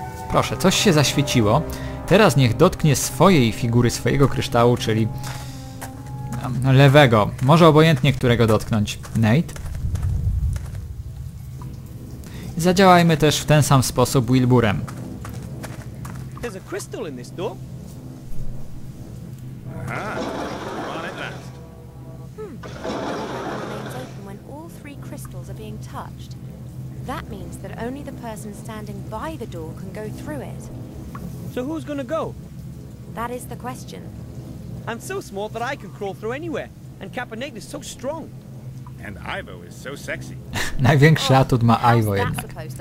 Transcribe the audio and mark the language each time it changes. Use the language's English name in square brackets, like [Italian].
[Polish] Proszę, coś się zaświeciło. teraz niech dotknie swojej figury, swojego kryształu, czyli lewego. Może obojętnie, którego dotknąć. Nate. Zadziałajmy też w ten sam sposób Wilburem. [English] There's a crystal in this door. Aha, on it last. It's open when all three crystals are being touched. That means that only the person standing by the door can go through it. So who's gonna go? That is the question. I'm so small that I can crawl through anywhere. And Kappa Nate is so strong. And Ivo is so sexy. [Polish] Największy atut ma Ivo jednak.